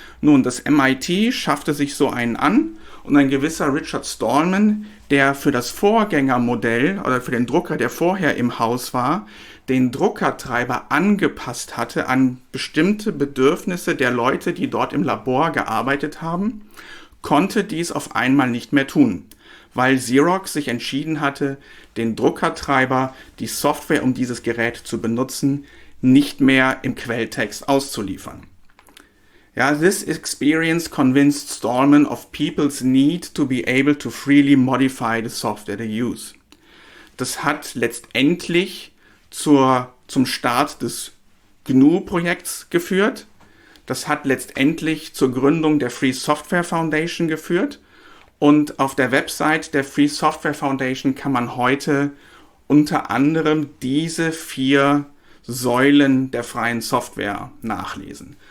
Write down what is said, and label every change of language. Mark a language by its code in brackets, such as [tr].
[de] Nun, das MIT schaffte sich so einen an und ein gewisser Richard Stallman, der für das Vorgängermodell oder für den Drucker, der vorher im Haus war, den Druckertreiber angepasst hatte an bestimmte Bedürfnisse der Leute, die dort im Labor gearbeitet haben, konnte dies auf einmal nicht mehr tun, weil Xerox sich entschieden hatte, den Druckertreiber, die Software, um dieses Gerät zu benutzen, nicht mehr im Quelltext auszuliefern. [en] Ja, this experience convinced Stallman of people's need to be able to freely modify the software they use. [de] Das hat letztendlich zum Start des GNU-Projekts geführt. Das hat letztendlich zur Gründung der Free Software Foundation geführt. Und auf der Website der Free Software Foundation kann man heute unter anderem diese vier Säulen der freien Software nachlesen.